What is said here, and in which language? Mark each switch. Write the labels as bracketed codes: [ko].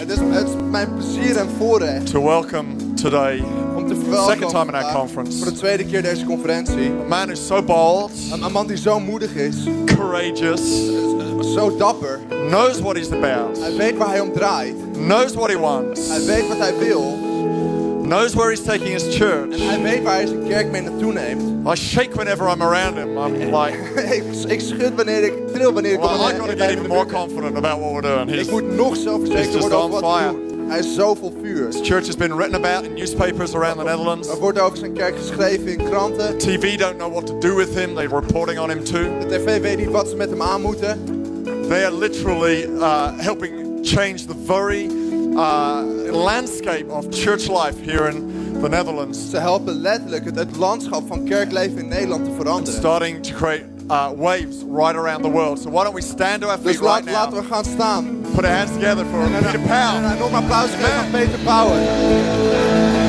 [en] it's my [nl] plezier en voorrecht [en] to welcome today, second time in our conference, [nl] voor de tweede keer deze conferentie. [en] A man who's so bold, [nl] een man die zo moedig is, [en] courageous, [nl] so dapper, [en] knows what he's about, [nl] hij weet waar hij om draait, [en] knows what he wants, [nl] hij weet wat hij wil, [en] knows where he's taking his church. [nl] En hij weet waar hij zijn kerk mee naartoe neemt. [en] I shake whenever I'm around him. I'm like, [nl] ik schud wanneer ik tril wanneer ik om hem heen. [en] I gotta get even more confident about what we're doing. [nl] Ik moet nog zelfverzekerder worden over wat we doen. Hij is zo vol vuur. [en] His church has been written about in newspapers around the Netherlands. [nl] Er wordt over zijn kerk geschreven in kranten. [en] The TV don't know what to do with him. They're reporting on him too. [nl] De TV weet niet wat ze met hem aan moeten. [en] They are literally helping change the very landscape of church life here in the Netherlands. [nl] Ze helpen letterlijk het landschap van kerkleven in Nederland te veranderen. [en] It's starting to create waves right around the world. So why don't we stand to our feet right now? [nl] Laten we gaan staan. [en] Put our hands together for Peter Power. [nl] Een enorm applaus voor Peter Power.